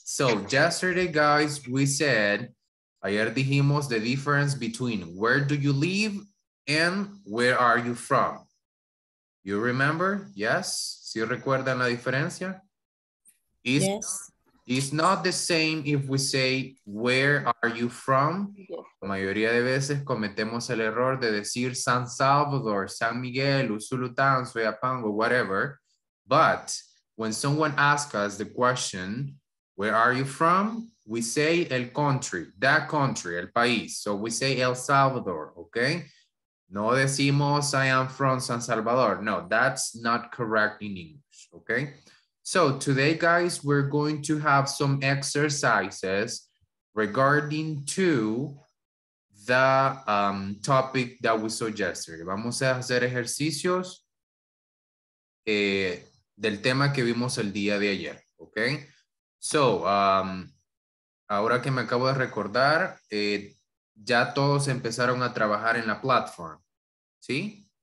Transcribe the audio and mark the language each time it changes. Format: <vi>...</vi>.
<en>So yesterday, guys, we said,</en> <es>ayer dijimos</es> <en>the difference between where do you live and where are you from? You remember? Yes?</en> <es>¿Sí recuerdan la diferencia?</es> <en>Yes. It's not the same if we say, where are you from? Yes.</en> <es>La mayoría de veces cometemos el error de decir San Salvador, San Miguel, Usulután, Soyapango, whatever.</es> <en>But when someone asks us the question, where are you from? We say el country, that country,</en> <es>el país.</es> <en>So we say El Salvador, okay?</en> <es>No decimos,</es> <en>I am from San Salvador. No, that's not correct in English, okay? So today, guys, we're going to have some exercises regarding to the topic that we saw yesterday.</en> <es>Vamos a hacer ejercicios del tema que vimos el día de ayer, okay? So, ahora que me acabo de recordar, ya todos empezaron a trabajar en la plataforma. ¿Sí?</es>